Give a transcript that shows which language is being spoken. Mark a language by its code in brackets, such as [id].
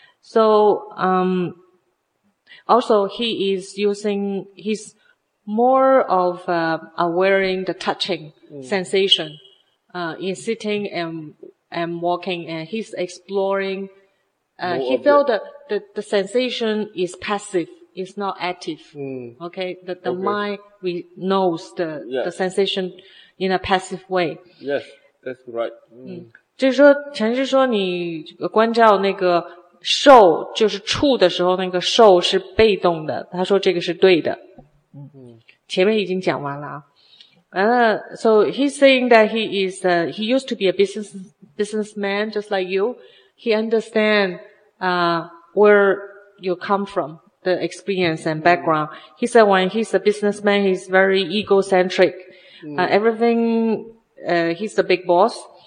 [en] So, also he's more of, awareing the touching sensation, in sitting and walking, and he's exploring, he felt that the sensation is passive, it's not active. Okay. The mind knows the sensation in a passive way. Yes, that's right. [zh] 就是说，禅师说你关照那个受就是触的时候那个受是被动的，他说这个是对的。前面已经讲完了啊。 [en] So he's saying that he is, he used to be a businessman just like you. He understand, where you come from, the experience and background. He said when he's a businessman, he's very egocentric. Everything, he's the big boss.